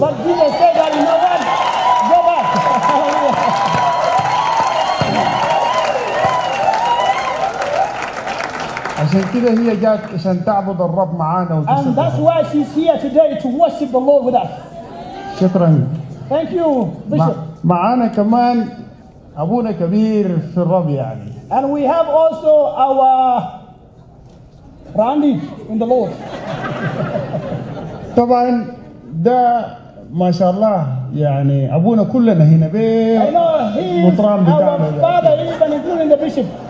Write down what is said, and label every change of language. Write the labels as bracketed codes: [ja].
[en] But Jesus said that, you know what? Go back. [ar] عشان كده هي جات عشان تعبد الرب معانا وتسبح. [en] And that's why she's here today to worship the Lord with us. [ar] شكرا. [en] Thank you, Bishop. [ar] معانا كمان أبونا كبير في الرب يعني. [en] And we have also our Randy in the Lord. [ar] طبعا ده ما شاء الله يعني أبونا كلنا هنا بيه. [en] I know he's our father even including the Bishop.